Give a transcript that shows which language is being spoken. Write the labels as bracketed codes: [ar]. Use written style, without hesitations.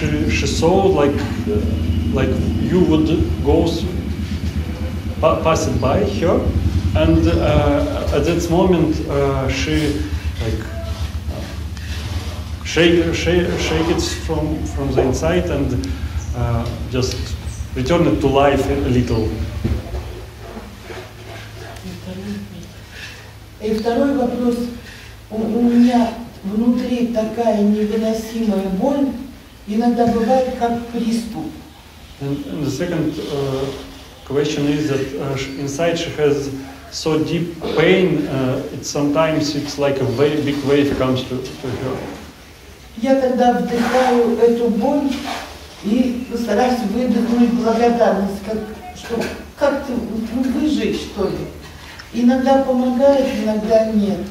[en] She saw like you would go pass it by her, and at that moment she shakes from the inside and just return it to life a little. [ru] И второй вопрос: у меня внутри такая невыносимая боль. Иногда бывает как приступ. [en] And the second question is that inside she has so deep pain, it's sometimes like a very big wave comes to her. [ru] Я тогда вдыхаю эту боль и стараюсь выдохнуть благодарность, как-то выжить, что ли. Иногда помогает, иногда нет.